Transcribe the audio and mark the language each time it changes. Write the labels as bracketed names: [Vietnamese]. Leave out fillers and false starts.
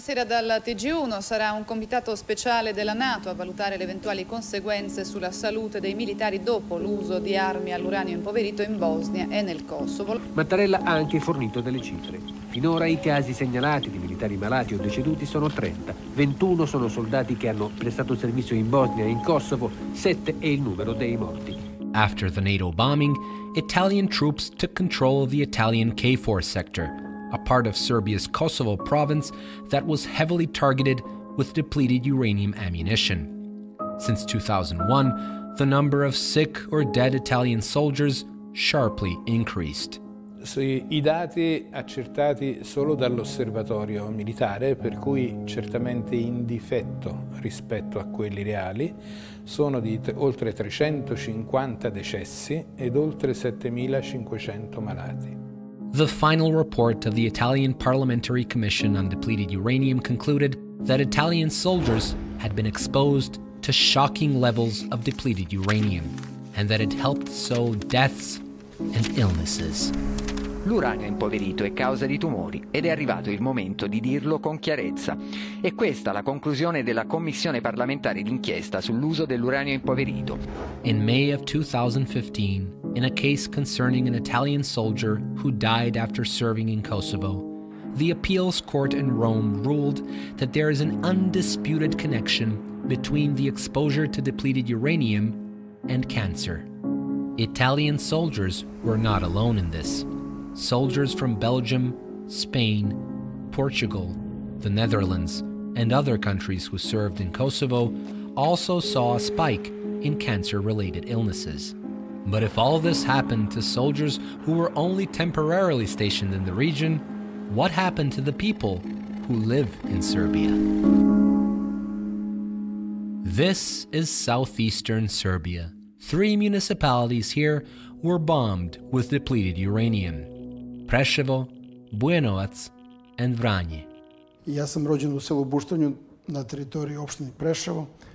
[Italian] stasera dal TG1 sarà un comitato speciale della NATO a valutare le eventuali conseguenze sulla salute dei militari dopo l'uso di armi all'uranio impoverito in Bosnia e nel Kosovo. Mattarella ha anche fornito delle cifre. Finora i casi segnalati di militari malati o deceduti sono 30. 21 sono soldati che hanno prestato servizio in Bosnia e in Kosovo. 7 è il numero dei morti. [English] After the NATO bombing, Italian troops took control of the Italian KFOR sector, a part of Serbia's Kosovo province that was heavily targeted with depleted uranium ammunition. Since 2001, the number of sick or dead Italian soldiers sharply increased. [Italian] I dati accertati solo dall'osservatorio militare, per cui certamente in difetto rispetto a quelli reali, sono di oltre 350 decessi ed oltre 7500 malati. [English] The final report of the Italian Parliamentary Commission on Depleted Uranium concluded that Italian soldiers had been exposed to shocking levels of depleted uranium and that it helped sow deaths and illnesses. [Italian] L'uranio impoverito è causa di tumori ed è arrivato il momento di dirlo con chiarezza. E questa la conclusione della commissione parlamentare d'inchiesta sull'uso dell'uranio impoverito. [English] In May of 2015, in a case concerning an Italian soldier who died after serving in Kosovo, the appeals court in Rome ruled that there is an undisputed connection between the exposure to depleted uranium and cancer. Italian soldiers were not alone in this. Soldiers from Belgium, Spain, Portugal, the Netherlands, and other countries who served in Kosovo also saw a spike in cancer-related illnesses. But if all this happened to soldiers who were only temporarily stationed in the region, what happened to the people who live in Serbia? This is southeastern Serbia. Three municipalities here were bombed with depleted uranium. Preševo, Bujanovac, and Vranje. [Serbian] Ja sam rođen u selu Buštanju na teritoriji opštine Preševo.